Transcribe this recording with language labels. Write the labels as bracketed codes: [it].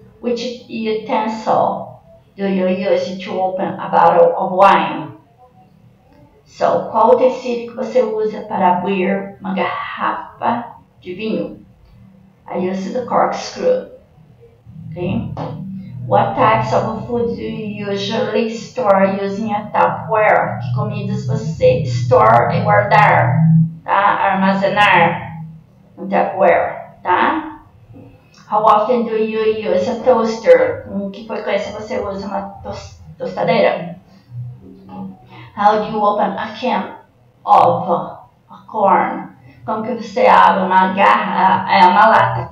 [en] Which utensil do you use to open a bottle of wine? [pt] So, qual utensílio que você usa para abrir uma garrafa de vinho? [en] I use the corkscrew. Okay. What types of food do you usually store using a tupperware? [pt] Que comidas você store e guardar? Tá? Armazenar no tupperware. Tá? [en] How often do you use a toaster? [pt] Com que frequência você usa uma tostadeira? [en] How do you open a can of corn? [pt] Como que você abre uma garra, uma lata?